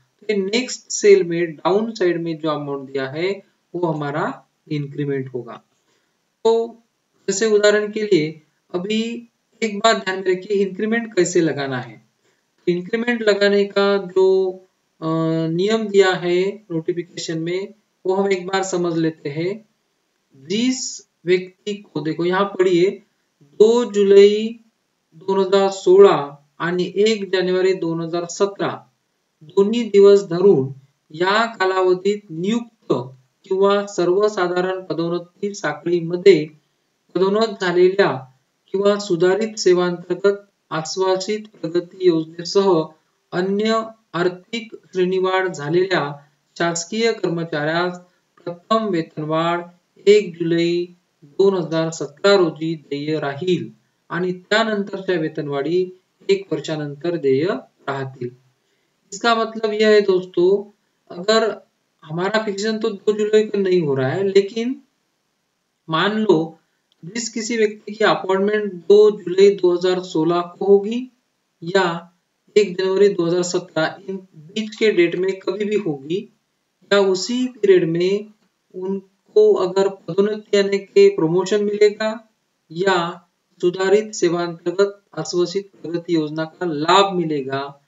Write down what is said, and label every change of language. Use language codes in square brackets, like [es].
[hi] तो ये next cell में डाउन साइड में जो अमाउंट दिया है वो हमारा इंक्रीमेंट होगा। तो जैसे उदाहरण के लिए अभी एक बात ध्यान में रखिए, इंक्रीमेंट कैसे लगाना है। इंक्रीमेंट लगाने का जो नियम दिया है नोटिफिकेशन में वो हम एक बार समझ लेते हैं। जिस व्यक्ति को देखो यहाँ पढ़िए, [mr] 2 जुलाई 2016 आणि 1 जानेवारी 2017 दोन्ही दिवस धरून या कालावधीत नियुक्त किंवा सर्वसाधारण पदोन्नती साखळीमध्ये पदोन्नत झालेल्या किंवा सुधारित सेवांतर्गत आश्वासित प्रगती योजनेसह अन्य आर्थिक श्रेणीवाढ झालेल्या शासकीय कर्मचाऱ्यास प्रथम वेतनवाढ 1 जुलै 2017 रोजी देय राहील आणि त्यानंतरच्या वेतनवाढी 1 वर्षानंतर देय राहतील। [hi] इसका मतलब यह है दोस्तों, अगर हमारा फिक्सेशन तो 2 जुलाई को नहीं हो रहा है, लेकिन मान लो जिस किसी व्यक्ति की अपॉइंटमेंट 2 जुलाई 2016 को होगी या 1 जनवरी 2017 इन बीच के डेट में कभी भी होगी, या उसी पीरियड में उनको अगर पदोन्नति यानी के प्रमोशन मिलेगा या सुधारित सेवांतर्गत आश्वासित प्रगति योजना का लाभ मिलेगा,